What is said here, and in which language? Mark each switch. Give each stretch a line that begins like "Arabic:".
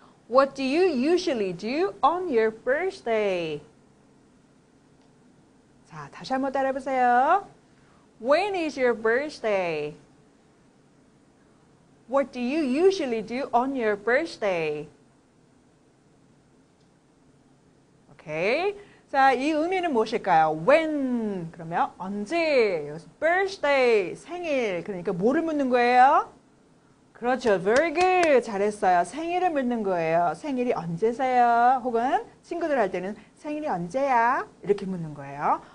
English: What do you usually do on your birthday?
Korean: 자, 다시 한번 따라해 보세요.
English: When is your birthday? What do you usually do on your birthday? Okay.
Korean: 자, 이 의미는 무엇일까요? When, 그러면 언제? Birthday, 생일. 그러니까 뭐를 묻는 거예요? 그렇죠.
English: Very good.
Korean: 잘했어요. 생일을 묻는 거예요. 생일이 언제세요? 혹은 친구들 할 때는 생일이 언제야? 이렇게 묻는 거예요.